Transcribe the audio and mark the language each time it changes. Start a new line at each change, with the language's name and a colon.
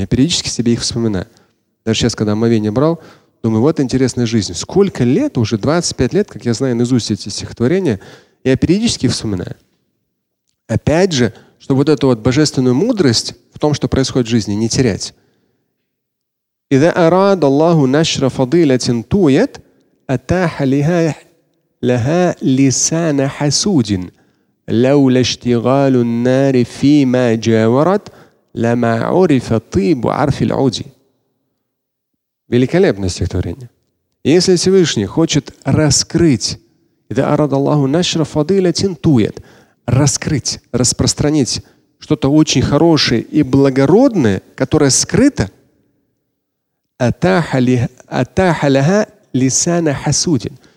Russian: Я периодически себе их вспоминаю. Даже сейчас, когда омовение брал, думаю, вот интересная жизнь. Сколько лет, уже 25 лет, как я знаю наизусть эти стихотворения, я периодически вспоминаю. Опять же, чтобы вот эту вот божественную мудрость в том, что происходит в жизни, не терять.
Arabic: إذا أراد الله نشر فضيلة تويت أتاح لها لسان حسود لولا اشتغال النار فيما جاورت لما عرف طيب عرف العود.
Russian: Великолепное стихотворение. Если Всевышний хочет раскрыть,
Arabic: إذا أراد الله نشر فضيلة تويت,
Russian: раскрыть, распространить что-то очень хорошее и благородное, которое скрыто,
Arabic: «Атаха лаха лисана хасудин».